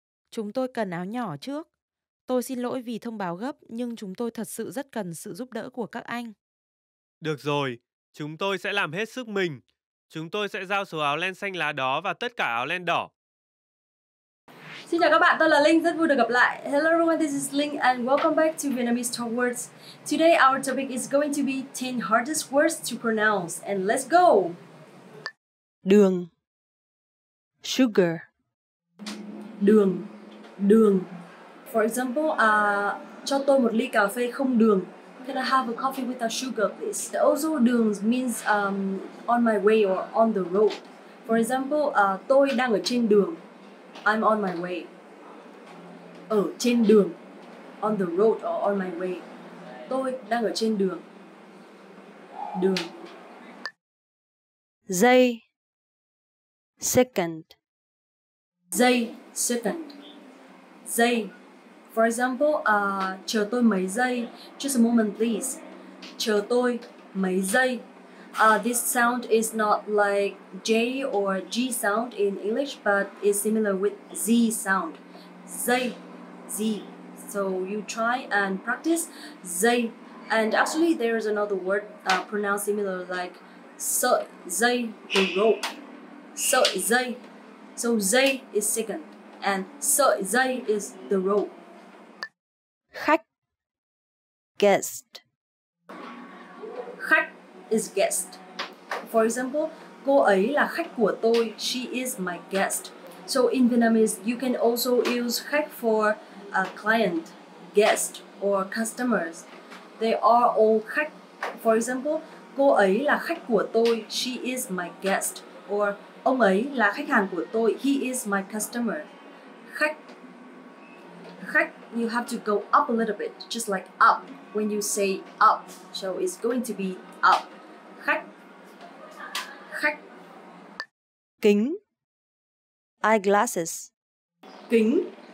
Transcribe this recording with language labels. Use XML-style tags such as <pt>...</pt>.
<vi>Chúng tôi cần áo nhỏ trước. Tôi xin lỗi vì thông báo gấp, nhưng chúng tôi thật sự rất cần sự giúp đỡ của các anh. Được rồi. Chúng tôi sẽ làm hết sức mình. Chúng tôi sẽ giao số áo len xanh lá đó và tất cả áo len đỏ. Xin chào các bạn, tôi là Linh, rất vui được gặp lại.</vi> <en>Hello everyone, this is Linh and welcome back to Vietnamese Talk Words. Today our topic is going to be 10 hardest words to pronounce and let's go!</en> <vi>Đường. Sugar. Đường. Đường.</vi> <en>For example,</en> <vi>cho tôi một ly cà phê không đường.</vi> <en>Can I have a coffee without sugar, please? Also, đường means on my way or on the road. For example,</en> <vi>tôi đang ở trên đường.</vi> <en>I'm on my way.</en> <vi>Ở trên đường.</vi> <en>On the road or on my way.</en> <vi>Tôi đang ở trên đường.</vi> <en>Đường.</en> <vi>Giây. Second. Giây. Second. Giây.</vi> <en>For example,</en> <vi>chờ tôi mấy giây.</vi> <en>Just a moment, please.</en> <vi>Chờ tôi mấy giây.</vi> <en>This sound is not like J or G sound in English, but is similar with Z sound. Giây, Z. So you try and practice giây. And actually, there is another word pronounced similar like</en> <vi>sợi giây,</vi> <en>the rope. Sợi giây. So giây is second. And sợi giây is the rope.</en> <vi>Khách, guest.</vi> <en>Khách is guest. For example,</en> <vi>cô ấy là khách của tôi.</vi> <en>She is my guest. So in Vietnamese, you can also use khách for a client, guest, or customers. They are all khách.</en> <vi>For example, cô ấy là khách của tôi.</vi> <en>She is my guest.</en> <vi>Or ông ấy là khách hàng của tôi.</vi> <en>He is my customer. Khách. Khách, you have to go up a little bit, just like up, when you say up. So it's going to be up. Khách. Khách.</en> <vi>Kính. Eyeglasses. Kính.</vi>